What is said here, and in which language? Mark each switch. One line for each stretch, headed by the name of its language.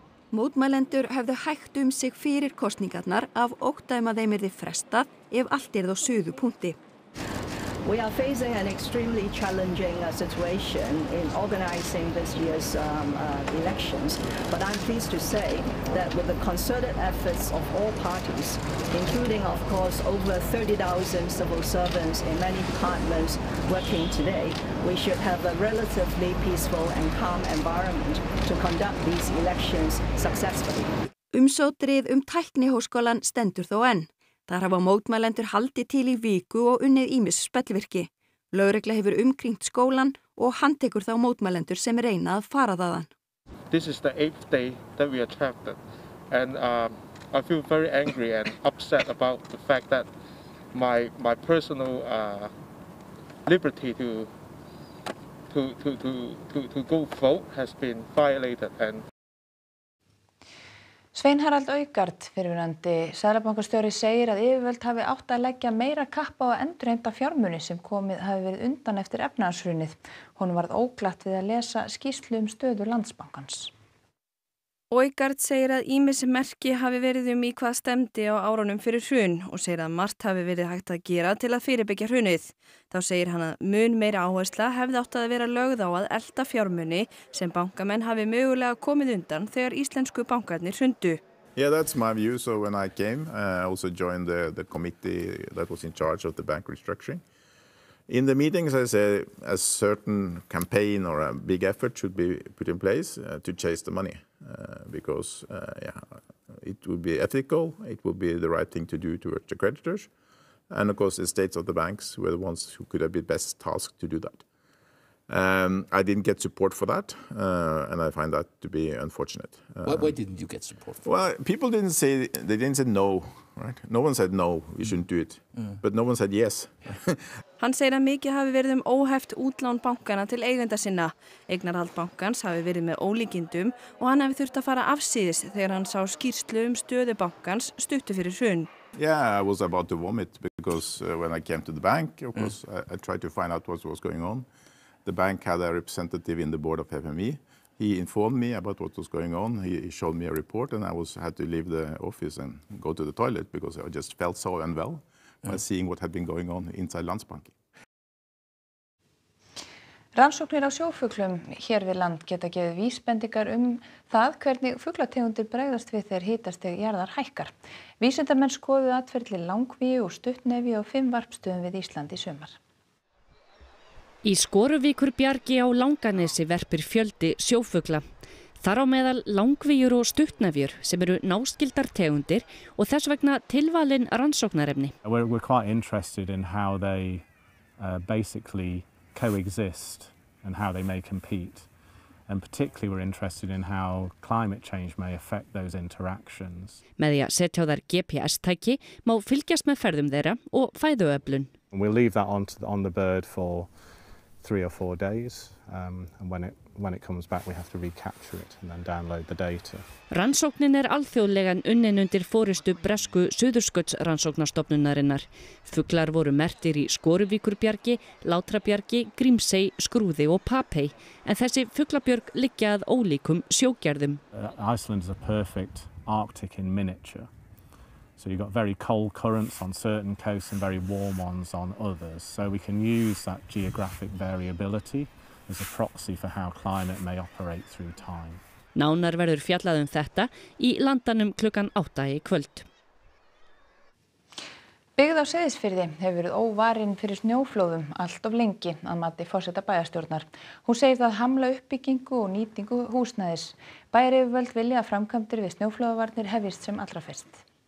Icelandic: Mótmælendur höfðu hægt sig fyrir kosningarnar af ótta að þeim yrði frestað ef allt yrði á suðupunkti.
English: We are facing an extremely challenging situation in organizing this year's elections, but I'm pleased to say that with the concerted efforts of all parties, including of course over 30,000 civil servants in many departments working today, we should have a relatively peaceful and calm environment to conduct these elections successfully.
Icelandic: Umsótrið tækniháskólan stendur þó enn. Þar hafa mótmælendur haldið til í viku og unnið ýmis spellvirki. Lögregla hefur umkringt skólan og handtekur þá mótmælendur sem reyna að fara þaðan.
English: This is the 8th day that we are trapped at. And I feel very angry and upset about the fact that my personal liberty to go vote has been violated. And
Icelandic: Svein Harald Aukart, fyrirverandi seðlabankastjóri, segir að yfirvöld hafi átt að leggja meira kapp á að endurheimta fjármuni sem komið hafi verið undan eftir efnahagshrunið. Honum varð óglatt við að lesa skýrslu stöðu Landsbankans. Aukart segir að ýmis merki hafi verið í hvað stemdi á árunum fyrir hrun og segir að margt hafi verið hægt að gera til að fyrirbyggja hrunið. Þá segir hann að mun meira áhersla hefði átt að vera lögð á að elta fjármuni sem bankamenn hafi mögulega komið undan þegar íslensku bankarnir hrundu.
English: Yeah, that's my view. So when I came, I also joined the committee that was in charge of the bank restructuring. In the meetings I said a certain campaign or a big effort should be put in place to chase the money. Because it would be ethical, it would be the right thing to do towards the creditors, and of course the states of the banks were the ones who could have been best tasked to do that. I didn't get support for that, and I find that to be unfortunate. Why didn't you get support for that? Well, people didn't say no right? No one said no, we shouldn't do it, but no one said yes.
Icelandic: Hann segir að mikið hafi verið óheft útlán bankana til eigenda sinna. Eignarhald bankans hafi verið með ólíkindum og hann hafi þurft að fara afsíðis þegar hann sá skýrslu stöðu bankans stuttu fyrir hrun.
English: Yeah, I was about to vomit because when I came to the bank, of course, I tried to find out what was going on. The bank had a representative in the board of FMI. He informed me about what was going on. He showed me a report and I was had to leave the office and go to the toilet because I just felt so unwell by seeing what had been going on inside Landsbanki.
Icelandic: Rannsóknir á sjófuglum hér við land geta gefið vísbendingar það hvernig fuglategundir bregðast við þegar hitastig jarðar hækkar. Vísindamenn skoðuðu atferli langvíu og stuttnefju á 5 varpstöðum við Ísland í sumar. Í Skoruvíkur bjargi á Langanesi verpir fjöldi sjófugla. Þar á meðal langvíjur og stuttnefjur sem eru náskildar tegundir og þess vegna tilvalin rannsóknarefni.
English: We're quite interested in how they basically coexist and how they may compete. And particularly we're interested in how climate change may affect those interactions.
Icelandic: Með því að setja á þær GPS-tæki má fylgjast með ferðum þeirra og fæðuöflun.
English: We'll leave that on the bird for 3 or 4 days and when it comes back we have to recapture it and then download the data.
Icelandic: Rannsóknin alþjóðlegan unnin undir forystu bresku Suðurskautsrannsóknastofnunarinnar. Fuglar voru merktir í Skoruvíkurbjargi, Látrabjargi, Grímsey, Skrúði og Papey, en þessi fuglabjörg liggja að ólíkum sjógerðum.
English: Iceland is a perfect Arctic in miniature. So you've got very cold currents on certain coasts and very warm ones on others. So we can use that geographic variability as a proxy for how climate may operate through time.
Icelandic: Nánar verður fjallað þetta í Landanum klukkan 8 í kvöld. Byggð á Seyðisfirði hefur verið óvarin fyrir snjóflóðum allt of lengi að mati forseta bæjarstjórnar. Hún segir það hamla uppbyggingu og nýtingu húsnæðis. Bæjaryfirvöld vilja að framkvæmdir við snjóflóðavarnir hefjist sem allra fyrst.